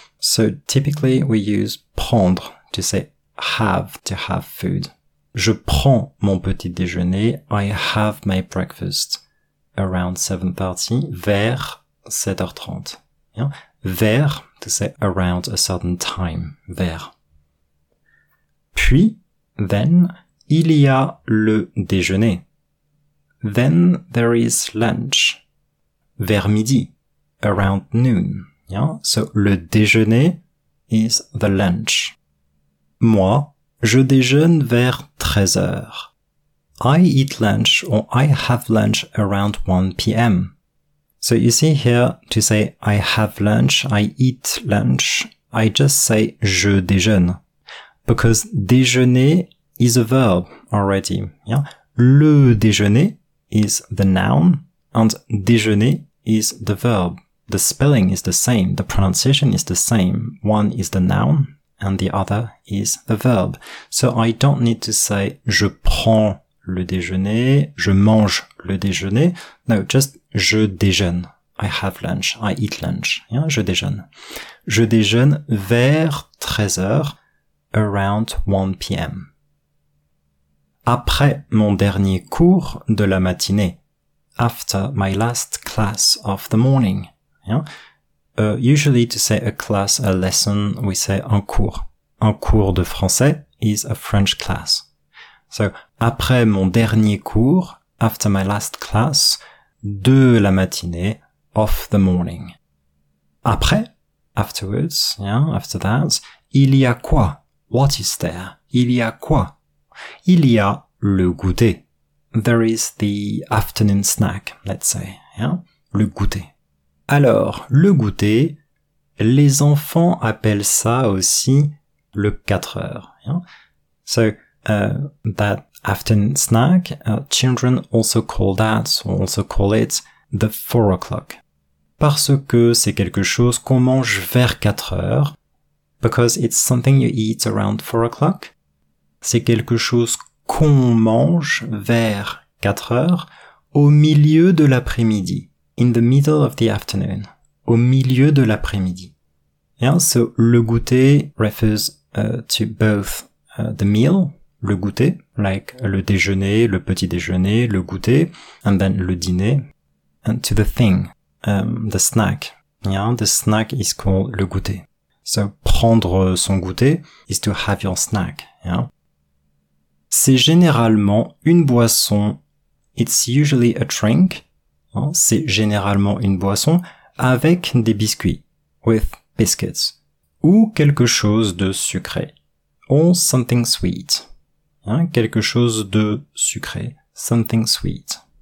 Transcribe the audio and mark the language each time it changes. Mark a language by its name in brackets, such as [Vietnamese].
[English] So typically we use prendre to say have, to have food. [French] Je prends mon petit déjeuner, [English] I have my breakfast. Around 7:30, [French] vers 7h30. [English] Yeah? Vers, to say around a certain time, vers. [French] Puis, then, il y a le déjeuner. [English] Then there is lunch. [French] Vers midi, [English] around noon. Yeah? So, le déjeuner is the lunch. [French] Moi, je déjeune vers 13h. [English] I eat lunch or I have lunch around 1 p.m. So you see here to say I have lunch, I eat lunch, I just say [French] je déjeune. [English] Because déjeuner is a verb already. Yeah? Le déjeuner is the noun and déjeuner is the verb. The spelling is the same, the pronunciation is the same. One is the noun and the other is the verb. So I don't need to say [French] je prends le déjeuner, je mange le déjeuner. [English] No, just [French] je déjeune. [English] I have lunch. I eat lunch. Yeah, je déjeune. [French] Je déjeune vers 13h, [English] around 1 p.m. [French] Après mon dernier cours de la matinée. [English] After my last class of the morning. Yeah. usually to say a class, a lesson, we say en cours. [French] En cours de français [English] is a French class. So, [French] après mon dernier cours, [English] after my last class, [French] de la matinée, [English] of the morning. Après, afterwards, yeah, after that, [French] il y a quoi? [English] What is there? [French] Il y a quoi? Il y a le goûter. [English] There is the afternoon snack, let's say, yeah? [French] Le goûter. Alors, le goûter, les enfants appellent ça aussi le 4 heures. [English] Yeah? So, that afternoon snack, children also call that, also call it the 4 o'clock. [French] Parce que c'est quelque chose qu'on mange vers 4 heures. [English] Because it's something you eat around 4 o'clock. [French] C'est quelque chose qu'on mange vers 4 heures au milieu de l'après-midi. [English] In the middle of the afternoon. [French] Au milieu de l'après-midi. [English] Yeah, so, le goûter refers to both the meal, le goûter, like le déjeuner, le petit déjeuner, le goûter, and then le dîner, and to the thing, the snack. Yeah, the snack is called le goûter. So, [French] prendre son goûter [English] is to have your snack. Yeah. [French] C'est généralement une boisson. [English] It's usually a drink. [French] C'est généralement une boisson avec des biscuits, [English] with biscuits, [French] ou quelque chose de sucré, [English] or something sweet, [French] hein, quelque chose de sucré, [English] something sweet.